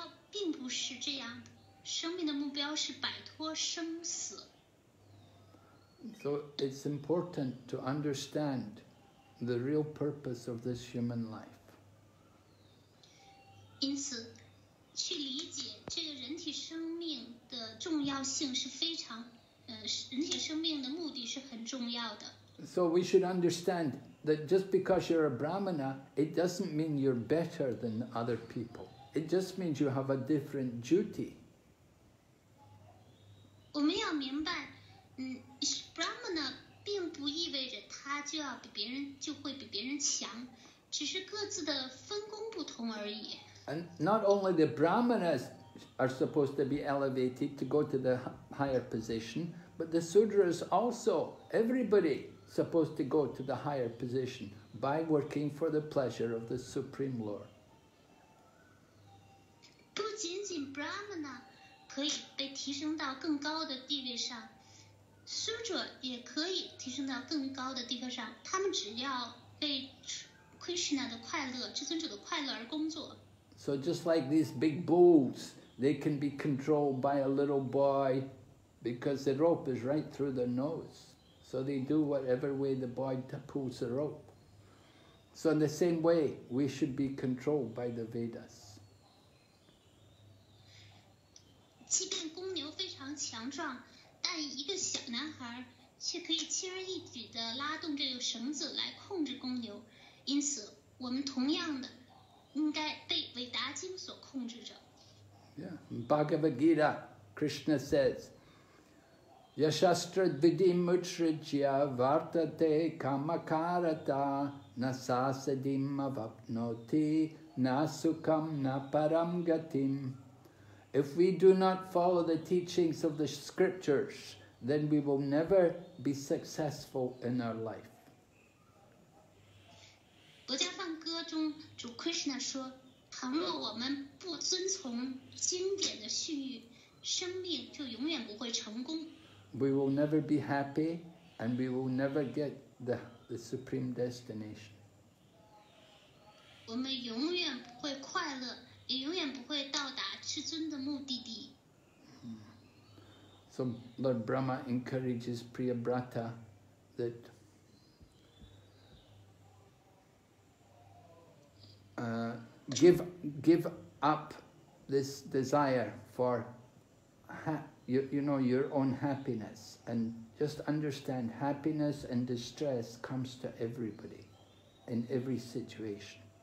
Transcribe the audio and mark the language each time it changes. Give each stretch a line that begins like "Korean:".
Chinese: 并不是这样，生命的目标是摆脱生死。
English: So it's important to understand the real purpose of this human life.
Chinese: 因此，去理解这个人体生命的重要性是非常，人体生命的目的是很重要的。
English: So we should understand that just because you're a Brahmana, it doesn't mean you're better than other people. It just means you have a different duty.
Chinese: 我们要明白，Brahmana 并不意味着他就会比别人强。只是各自的分工不同而已。
English: And not only the brahmanas are supposed to be elevated to go to the higher position, but the sudras also, everybody supposed to go to the higher position by working for the pleasure of the Supreme Lord.
Chinese: 不仅仅 brahmana 可以被提升到更高的地位上，sudra 也可以提升到更高的地位上，他们只要为 Krishna 的快乐，至尊者的快乐而工作。
English: So just like these big bulls, they can be controlled by a little boy because the rope is right through their nose. So they do whatever way the boy pulls the rope. So in the same way, we should be controlled by the Vedas.
Chinese: 即便公牛非常强壮，但一个小男孩却可以轻而易举地拉动这个绳子来控制公牛。因此，我们同样的应该被维达经所控制着。
English: Yeah, in Bhagavad Gita, Krishna says,
Sanskrit: Yashastradvidimutrijya vartate kamakarata nasasadim avapnoti nasukam naparamgatim.
English: If we do not follow the teachings of the scriptures, then we will never be successful in our life.
Chinese: 《薄伽梵歌》中主 Krishna 说，倘若我们不遵从经典的训谕，生命就永远不会成功。
English: We will never be happy, and we will never get the supreme destination.
Chinese: 我们永远不会快乐，也永远不会到达至尊的目的地。
English: So Lord Brahma encourages Priyabrata that give up this desire for your own happiness, and just understand happiness and distress comes to everybody in every situation.